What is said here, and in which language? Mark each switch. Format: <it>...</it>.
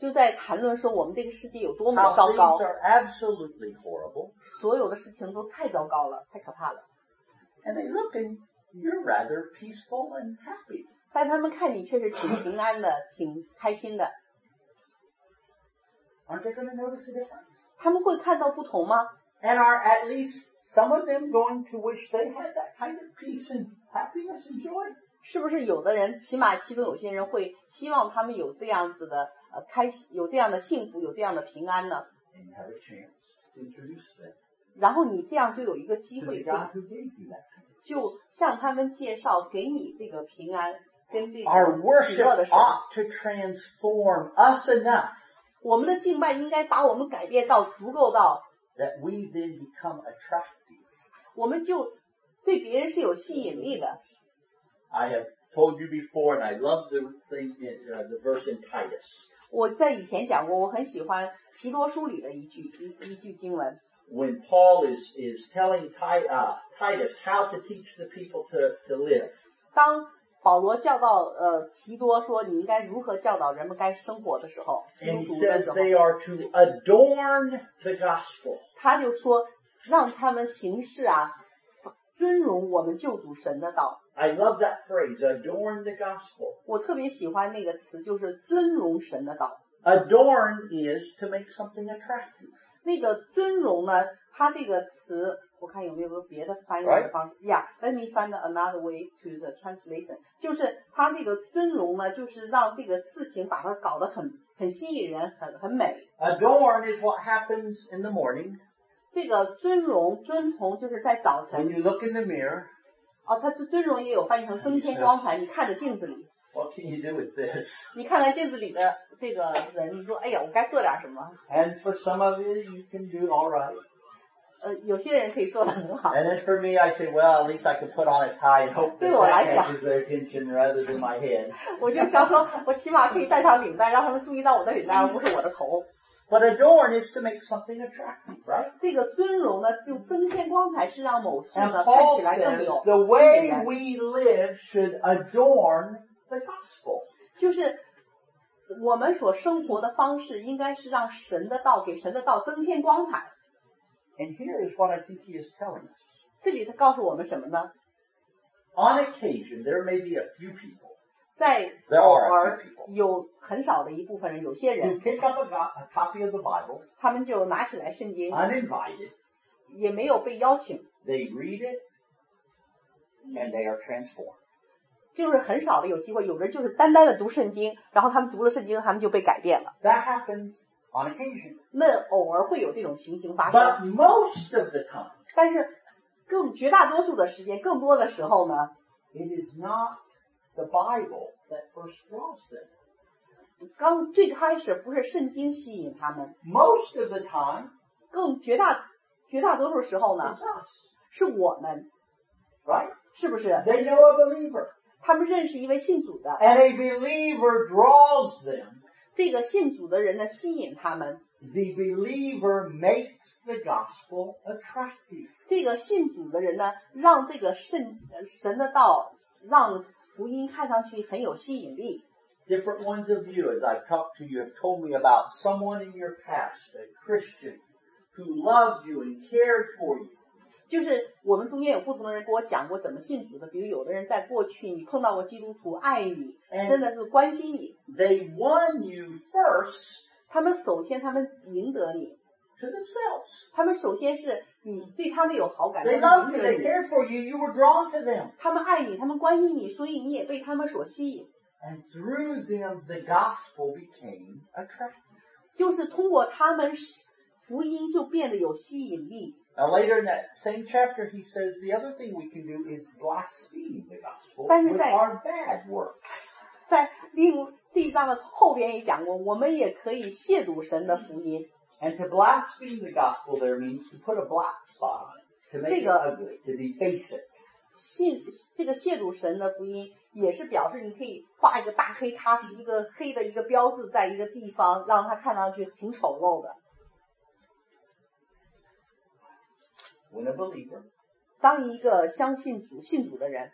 <zh>就在谈论说我们这个世界有多么糟糕。</zh> <en>How things are absolutely horrible.</en> <zh>所有的事情都太糟糕了，太可怕了。</zh> <en>And they look and you're rather peaceful and happy.</en> <zh>但他们看你确实挺平安的，挺开心的。</zh> <en>Aren't they going to notice a difference?</en> <zh>他们会看到不同吗？</zh> <en>And are at least some of them going to wish they had that kind of peace and happiness and joy?</en> <zh>是不是有的人起码其中有些人会希望他们有这样子的开心有这样的幸福有这样的平安呢</zh> <en>And you have a chance to introduce them.</en> <zh>然后你这样就有一个机会</zh> <en>to the God who gave you that kind of peace.</en> <zh>就向他们介绍给你这个平安跟这个</zh> <en>Our worship ought to transform us enough.</en> <zh>我们的敬拜应该把我们改变到足够到</zh> <en>that we then become attractive.</en> <zh>我们就对别人是有吸引力的。</zh> <en>I have told you before, and I love the thing, the verse in Titus.</en> <zh>我在以前讲过，我很喜欢提多书里的一句经文。</zh> <en>When Paul is telling Titus how to teach the people to live.</en> <zh>当保罗教导提多说你应该如何教导人们该生活的时候</zh> <en>，And he says they are to adorn the gospel.</en> <zh>他就说让他们行事啊，尊荣我们救主神的道。</zh> <en>I love that phrase, adorn the gospel.</en> <zh>我特别喜欢那个词，就是尊荣神的道。</zh> <en>Adorn is to make something attractive.</en> <zh>那个尊荣呢，它这个词，我看有没有别的翻译的方式。</zh> <en>Right? Yeah, let me find another way to the translation.</en> <zh>就是它那个尊荣呢，就是让这个事情把它搞得很吸引人，很美。</zh> <en>Adorn is what happens in the morning.</en> <zh>这个尊荣尊崇就是在早晨。</zh> <en>When you look in the mirror,</en> <zh>哦，他这尊荣也有翻译成增添光彩。你看着镜子里</zh> <en>，What can you do with this？</en> <zh>你看看镜子里的这个人，你说，哎呀，我该做点什么</zh> <en>？And for some of you, you can do all right.</en> <zh>有些人可以做得很好。</zh> <en>And then for me, I say, well, at least I can put on a tie and hope that that catches their attention rather than my head.</en> <zh>我就想说，我起码可以戴上领带，让他们注意到我的领带，而不是我的头。</zh> <en>But adorn is to make something attractive, right?</en> <zh>这个尊荣呢，就增添光彩，是让某事呢看起来更有。</zh> <en>And Paul says the way we live should adorn the gospel.</en> <zh>就是我们所生活的方式，应该是让神的道给神的道增添光彩。</zh> <en>And here is what I think he is telling us.</en> <zh>这里他告诉我们什么呢</zh> <en>？On occasion, there may be a few people.</en> <zh>在偶尔有很少的一部分人，有些人</zh> <en>pick up a copy of the Bible,</en> <zh>他们就拿起来圣经</zh> <en>uninvited,</en> <zh>也没有被邀请</zh> <en>they read it and they are transformed</en> <zh>就是很少的有机会有人就是单单的读圣经然后他们读了圣经他们就被改变了</zh> <en>that happens on occasion</en> <zh>那偶尔会有这种情形发生</zh> <en>but most of the time</en> <zh>但是更绝大多数的时间更多的时候呢</zh> <en>it is notThe Bible that first draws them.</en> <zh>刚最开始不是圣经吸引他们。</zh> <en>Most of the time,</en> <zh>更绝大多数时候呢</zh> <en>，It's us.</en> <zh>是我们</zh> <en>，Right?</en> <zh>是不是</zh> <en>？They know a believer.</en> <zh>他们认识一位信主的。</zh> <en>And a believer draws them.</en> <zh>这个信主的人呢，吸引他们。</zh> <en>The believer makes the gospel attractive.</en> <zh>这个信主的人呢，让这个神的道让。福音看上去很有吸引力。</zh> <en>different ones of you, as I've talked to you, have told me about someone in your past, a Christian, who loved you and cared for you.</en> <zh>就是我们中间有不同的人跟我讲过怎么信主的，比如有的人在过去你碰到过基督徒爱你，真的是关心你。</zh> <en>They won you first.</en> <zh>他们首先他们赢得你。</zh> <en>To themselves.</en> <zh>他们首先是你对他们有好感。</zh> <en>They loved you. They cared for you. You were drawn to them.</en> <zh>他们爱你，他们关心你，所以你也被他们所吸引。</zh> <en>And through them, the gospel became attractive.</en> <zh>就是通过他们，福音就变得有吸引力。</zh> <en>Now later in that same chapter, he says the other thing we can do is blaspheme the gospel</en> <zh>但是在,</zh> <en>with our bad works.</en> <zh>在另这一章的后边也讲过，我们也可以亵渎神的福音。</zh> <en>And to blaspheme the gospel there means to put a black spot on it, to make</en> <zh>这个,</zh> <en>it ugly, to deface it.</en> <zh>这个亵渎神的福音也是表示你可以画一个大黑叉，一个黑的一个标志在一个地方，让它看上去挺丑陋的。</zh> <en>When a believer,</en> <zh>当一个相信主、信主的人</zh>